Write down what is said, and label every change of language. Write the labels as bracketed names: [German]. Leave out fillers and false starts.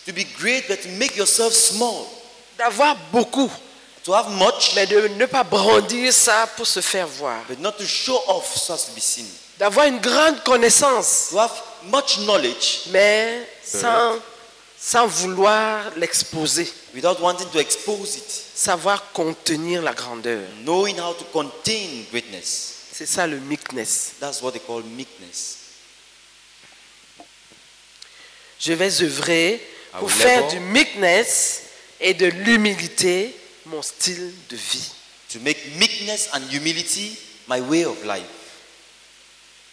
[English] To be great, but to make yourself small. [French] D'avoir beaucoup, [English] to have much, [French] mais de ne pas brandir ça pour se faire voir. [English] But not to show off, so as to be seen. [French] D'avoir une grande connaissance, [English] to have much knowledge, [French] mais sans vouloir l'exposer. [English] Without wanting to expose it. [French] Savoir contenir la grandeur. [English] Knowing how to contain greatness. [French] C'est ça le meekness. [English] That's what they call meekness. [French] Je vais œuvrer pour faire du meekness et de l'humilité mon style de vie. [English] To make meekness and humility my way of life.